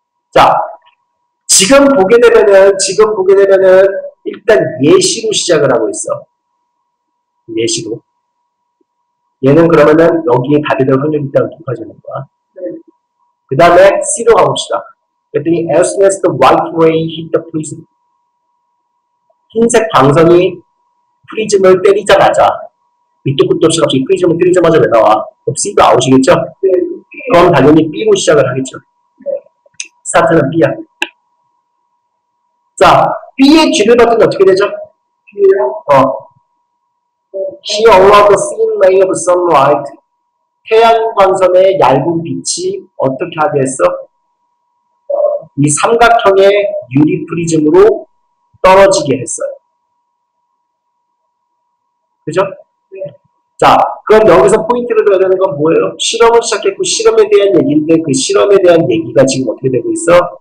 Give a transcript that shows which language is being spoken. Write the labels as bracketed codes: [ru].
[ko] 자. 지금 보게 되면은, 지금 보게 되면은, 일단 예시로 시작을 하고 있어. 예시로. 얘는 그러면은, 여기에 답이 될 확률이 있다고 높아지는 거야. 네. 그 다음에 C로 가봅시다. 그랬더니, [en] as soon as the white ray hit the prism. [ko] 흰색 광선이 프리즘을 때리자마자, 밑도 끝도 없이 갑자기 프리즘을 때리자마자 왜 나와? 그럼 C가 아웃이겠죠? 네. 그럼 당연히 B로 시작을 하겠죠. 네. 스타트는 B야. 자, B의 뒤를 봤더니 어떻게 되죠? B요? [en] He allowed a thin ray of sunlight. [ko] 태양 광선의 얇은 빛이 어떻게 하게 했어? 이 삼각형의 유리 프리즘으로 떨어지게 했어요. 그죠? 네. 자, 그럼 여기서 포인트를 둬야 되는 건 뭐예요? 실험을 시작했고 실험에 대한 얘기인데 그 실험에 대한 얘기가 지금 어떻게 되고 있어?